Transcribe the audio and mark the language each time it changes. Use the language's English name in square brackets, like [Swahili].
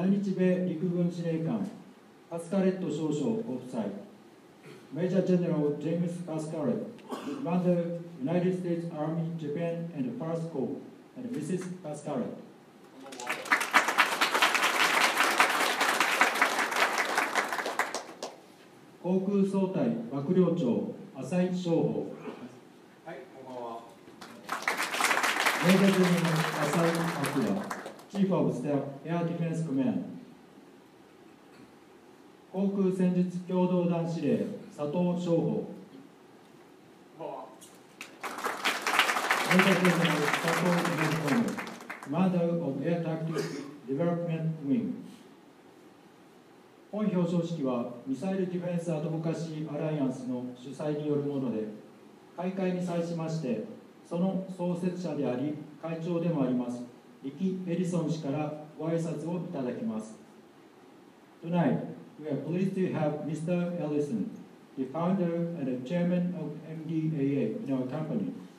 [Japanese] 在日米陸軍司令官、パスカレット少将ご夫妻。 [English] Major General James Pascaret, Commander, United States Army, Japan and First Corps, and Mrs. Pascaret. [Japanese] こんばんは。航空総隊幕僚長、浅井翔吾。はい、こんばんは。 [English] Major General 浅井明、Chief of Staff, Air Defense Command. [Japanese] 航空戦術共同団司令、佐藤翔吾。こんばんは。 [English] メジャー佐藤翔吾、Commander of Air Tactics Development Wing。 [Japanese] 本表彰式はミサイルディフェンスアドボカシーアライアンスの主催によるもので、開会に際しまして、その創設者であり会長でもあります、リキ・エリソン氏からご挨拶をいただきます。 [English] Tonight, we are pleased to have Mr. Ellison. The founder and the chairman of MDAA in our company.